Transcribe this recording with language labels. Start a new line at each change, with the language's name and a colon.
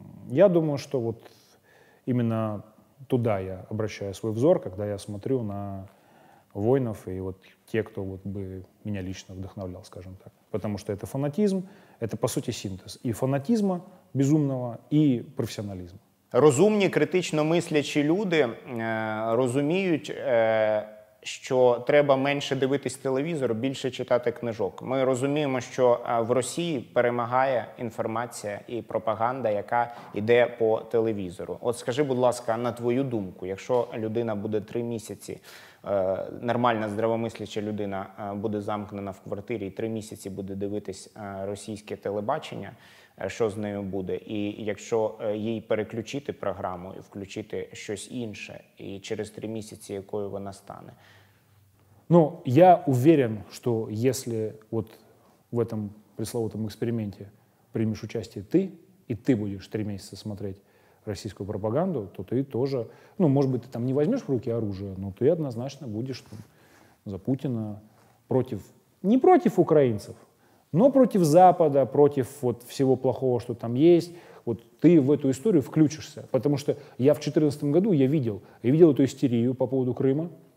Russian: Я думаю, что вот именно туда я обращаю свой взор, когда я смотрю на воинов и вот те, кто вот бы меня лично вдохновлял, скажем так. Потому что это фанатизм, это, по сути, синтез и фанатизма безумного, и профессионализма.
Ukrainian: Розумні, критично мислячі люди розуміють, що треба менше дивитись телевізор, більше читати книжок. Ми розуміємо, що в Росії перемагає інформація і пропаганда, яка йде по телевізору. От скажи, будь ласка, на твою думку, якщо людина буде 3 місяці, нормальна здравомисляча людина буде замкнена в квартирі і 3 місяці буде дивитись російське телебачення, що з нею буде? І якщо їй переключити програму і включити щось інше, і через 3 місяці якою вона стане?
Russian: Ну, я уверен,
Ukrainian: що якщо от в цьому пресловутому експерименті приймеш участь ти, і ти будеш 3 місяці
Russian: смотреть российскую пропаганду, то ты тоже, ну, может быть, ты там не возьмешь в руки оружие, но ты однозначно будешь там, за Путина против, не против украинцев, но против Запада, против вот всего плохого, что там есть. Вот ты в эту историю включишься. Потому что я в 2014 году я видел эту истерию по поводу Крыма.